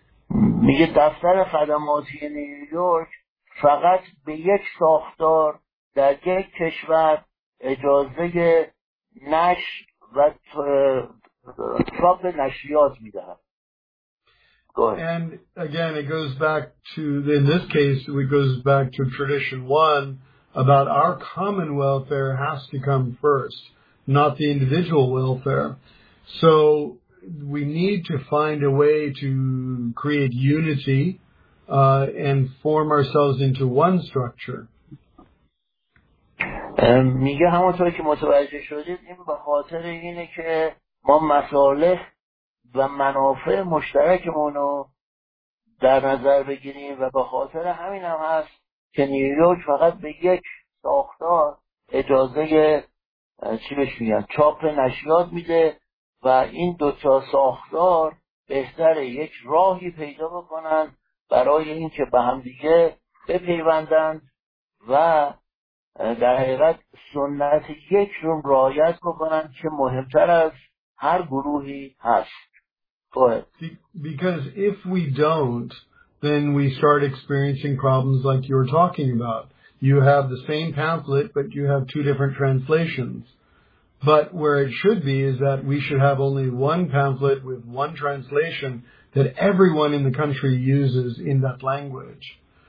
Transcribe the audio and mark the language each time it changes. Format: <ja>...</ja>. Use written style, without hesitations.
<fa>میگه دفتر خدماتی نیویورک فقط به یک ساختار در یک کشور اجازه نشر و چاپ نشریات میده.</fa> <en>And again, it goes back to, in this case, it goes back to tradition one, about our common welfare has to come first, not the individual welfare. So we need to find a way to create unity and form ourselves into one structure.</en> <fa>میگه همونطور که متوجه شدید این به خاطر اینه که ما مصالح و منافع مشترکمون رو در نظر بگیریم و به خاطر همین هم هست که نیویورک فقط به یک ساختار اجازه چی بهش میگن چاپ نشریات میده و این دوتا ساختار بهتره یک راهی پیدا بکنن برای این که به همدیگه بپیوندند و در حقیقت سنت یک رو رعایت بکنن که مهمتر از هر گروهی هست.</fa> <en>Because if we don't, then we start experiencing problems like you were talking about. You have the same pamphlet, but you have two different translations. But where it should be is that we should have only one pamphlet with one translation that everyone in the country uses in that language.</en>